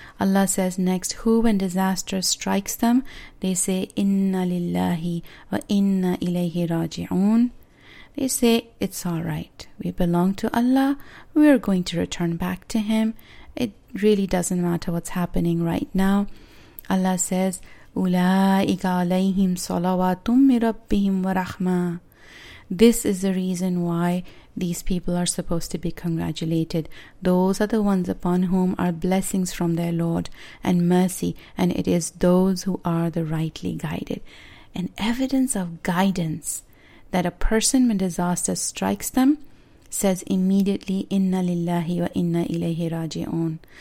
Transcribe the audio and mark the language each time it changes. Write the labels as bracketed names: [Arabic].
[English] Allah says next, who when disaster strikes them, they say, [Arabic] إِنَّ لِلَّهِ وَإِنَّ إِلَيْهِ رَاجِعُونَ. [English] They say, it's all right. We belong to Allah. We are going to return back to Him. It really doesn't matter what's happening right now. Allah says, [Arabic] أُولَٰئِكَ عَلَيْهِمْ صَلَوَاتٌ مِّن رَبِّهِمْ وَرَحْمَةٌ. [English] This is the reason why these people are supposed to be congratulated. Those are the ones upon whom are blessings from their Lord and mercy. And it is those who are the rightly guided. An evidence of guidance that a person when disaster strikes them says immediately, [Arabic] Inna lillahi wa inna ilayhi raji'un.